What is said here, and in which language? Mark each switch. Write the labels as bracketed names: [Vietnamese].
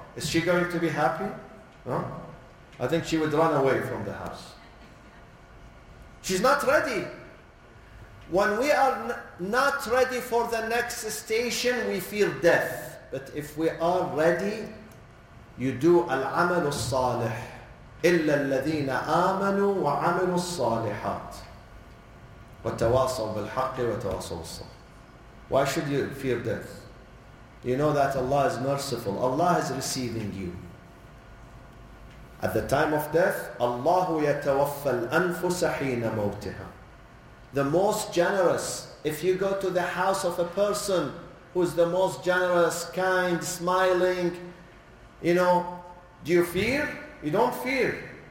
[English] Is she going to be happy? No? I think she would run away from the house. She's not ready. When we are not ready for the next station, we fear death. But if we are ready, you do al-amal as-salih. [Arabic] إِلَّا الَّذِينَ آمَنُوا وَعَمِلُوا الصَّالِحَاتِ وَتَوَاصَوْا بِالْحَقِّ وَتَوَاصَوْا الصَّبْرِ [English] Why should you fear death? You know that Allah is merciful. Allah is receiving you. At the time of death, [Arabic] اللَّهُ يَتَوَفَّى الْأَنفُسَ حِينَ مَوْتِهَا [English] The most generous. If you go to the house of a person who is the most generous, kind, smiling, you know, do you fear? You don't fear.